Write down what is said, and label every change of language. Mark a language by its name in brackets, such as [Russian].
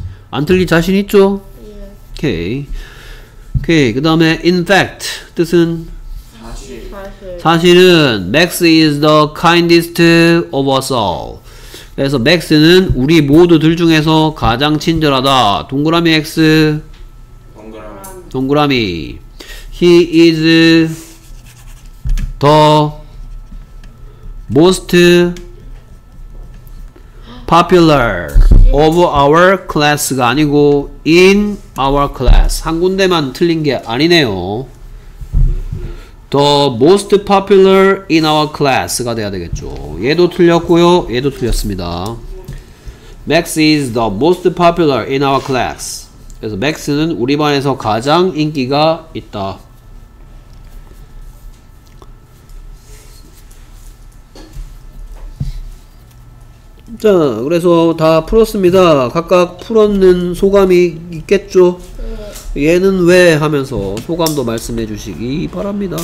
[Korean] 안 틀릴 자신 있죠? 오케이. 오케이. 그 다음에 in fact 뜻은 사실은 [English] Max is the kindest of us all. [Korean] 그래서 Max는 우리 모두들 중에서 가장 친절하다. 동그라미 X. 동그라미. [English] He is the most popular of our class [Korean] 가 아니고 [English] in our class. [Korean] 한 군데만 틀린 게 아니네요. [English] The most popular in our class [Korean] 가 돼야 되겠죠. 얘도 틀렸고요. 얘도 틀렸습니다. [English] Max is the most popular in our class. [Korean] 그래서 Max는 우리 반에서 가장 인기가 있다. 자, 그래서 다 풀었습니다. 각각 풀었는 소감이 있겠죠. 얘는 왜 하면서 소감도 말씀해 주시기 바랍니다.